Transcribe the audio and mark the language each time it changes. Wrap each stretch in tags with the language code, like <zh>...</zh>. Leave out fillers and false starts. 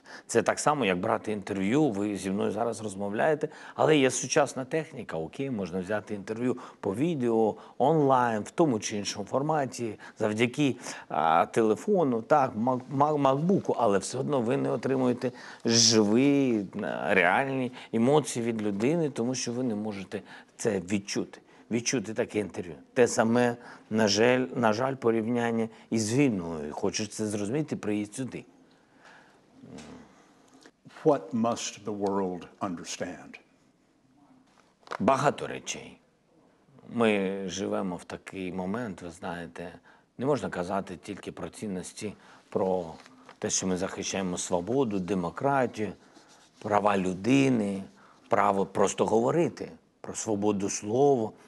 <uk>Це так само, як брати інтерв'ю, ви зі мною зараз розмовляєте, але є сучасна техніка, окей, можна взяти інтерв'ю по відео, онлайн, в тому чи іншому форматі, завдяки телефону, так, макбуку, але все одно ви не отримуєте живі, реальні емоції від людини, тому що ви не можете це відчути. Відчути таке інтерв'ю. Те саме, на жаль, порівняння із війною. Хочеш це зрозуміти, приїдь сюди.</uk> <en>What must the world understand?</en> <uk>Багато речей. Ми живемо в такий момент, ви знаєте, не можна казати тільки про цінності, про те, що ми захищаємо свободу, демократію, права людини, право просто говорити про свободу слова.</uk>